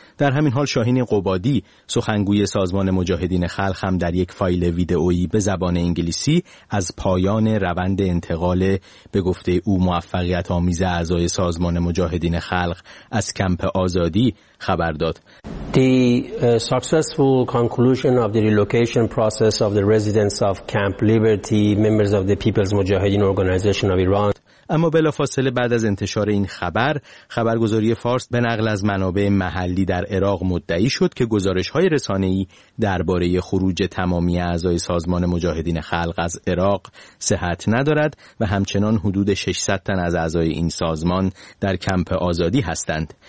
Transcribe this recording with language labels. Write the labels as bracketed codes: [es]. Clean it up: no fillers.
[fa] در همین حال شاهین قبادی، سخنگوی سازمان مجاهدین خلق، هم در یک فایل ویدئویی به زبان انگلیسی از پایان روند انتقال به گفته او موفقیت آمیز اعضای سازمان مجاهدین خلق از کمپ آزادی خبر داد. [en] The successful conclusion of the relocation process of the residents of Camp Liberty, members of the People's Mujahideen Organization of Iran. [fa] اما بلافاصله بعد از انتشار این خبر، خبرگزاری فارس به نقل از منابع محلی در عراق مدعی شد که گزارش‌های رسانه‌ای درباره خروج تمامی اعضای سازمان مجاهدین خلق از عراق صحت ندارد و همچنان حدود 600 تن از اعضای این سازمان در کمپ آزادی هستند.